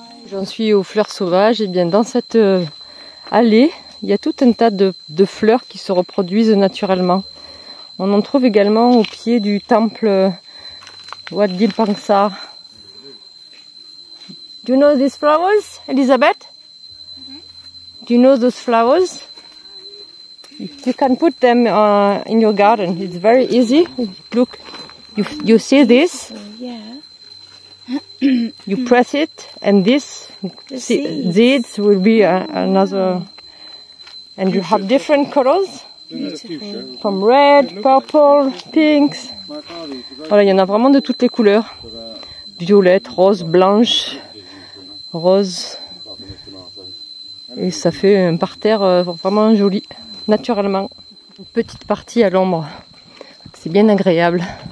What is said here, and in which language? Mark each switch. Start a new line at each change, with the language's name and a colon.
French: J'en suis aux fleurs sauvages. Et bien, dans cette allée, il y a tout un tas de fleurs qui se reproduisent naturellement. On en trouve également au pied du temple Wat Dilpangsar.
English: Do you know these flowers, Elizabeth? Do you know those flowers? You can put them in your garden. It's very easy. Look, you see this? Yeah. You press it, and this seeds will be another. And you have different colors. Beautiful. From red, purple, pinks.
French: Voilà, il y en a vraiment de toutes les couleurs. Violette, rose, blanche, rose. Et ça fait un parterre vraiment joli. Naturellement, une petite partie à l'ombre, c'est bien agréable.